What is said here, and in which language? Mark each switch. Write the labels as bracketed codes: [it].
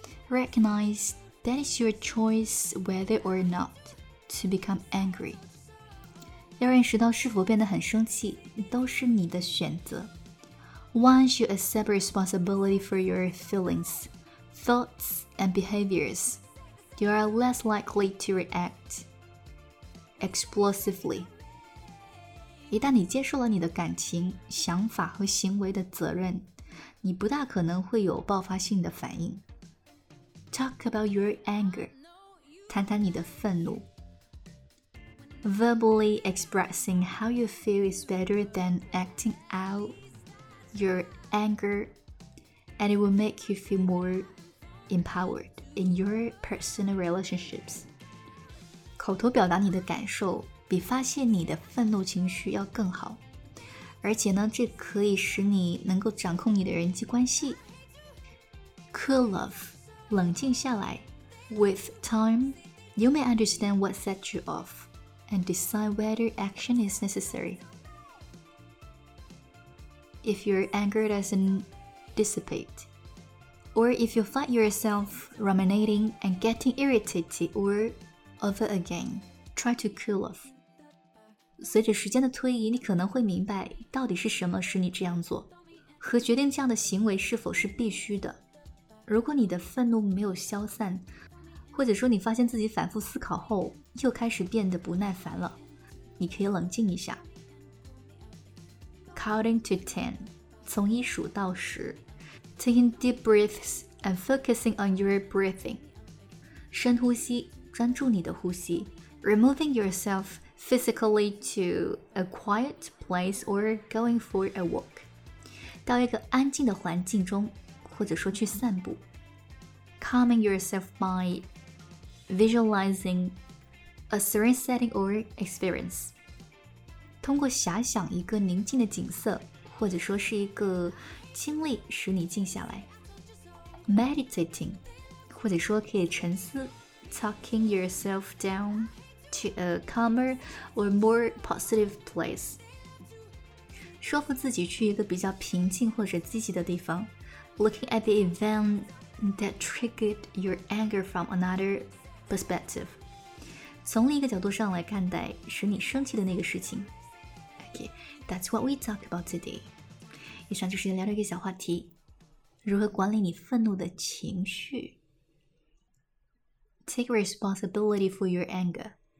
[en] Recognize that is your choice whether or not to become angry。 [zh] 要认识到是否变得很生气都是你的选择。 [en] Once you accept responsibility for your feelings, thoughts and behaviors, you are less likely to react explosively. [zh] 一旦你接受了你的感情、想法和行为的责任，你不大可能会有爆发性的反应。 [en] Talk about your anger, [zh] 谈谈你的愤怒。 [en] Verbally expressing how you feel is better than acting out your anger, and it will make you feel more empowered in your personal relationships. [zh] 口头表达你的感受比发泄你的愤怒情绪要更好，而且呢，这可以使你能够掌控你的人际关系。 [en] Cool off, [zh] 冷静下来。 [en] With time, you may understand what set you off. And decide whether action is necessary. If your anger doesn't dissipate, or if you find yourself ruminating and getting irritated or over again, try to cool off. [zh] 随着时间的推移，你可能会明白到底是什么使你这样做，和决定这样的行为是否是必须的。如果你的愤怒没有消散，或者说你发现自己反复思考后又开始变得不耐烦了，你可以冷静一下。 [en] Counting to 10, [zh] 从一数到十。 [en] Taking deep breaths and focusing on your breathing. [zh] 深呼吸，专注你的呼吸。 [en] Removing yourself physically to a quiet place or going for a walk. [zh] 到一个安静的环境中，或者说去散步。 [en] Calming yourself by visualizing a serene setting or experience. [zh] 通过遐想一个宁静的景色，或者说是一个经历，使你静下来。 [en] Meditating, [zh] 或者说可以沉思。 [en] Talking yourself down to a calmer or more positive place. [zh] 说服自己去一个比较平静或者积极的地方。 [en] Looking at the event that triggered your anger from another perspective. [zh] 从另一个角度上来看待使你生气的那个事情。 [en] Okay, that's what we talked about today. [zh] 以上就是聊了一个小话题，如何管理你愤怒的情绪。 [en] Take responsibility for your anger.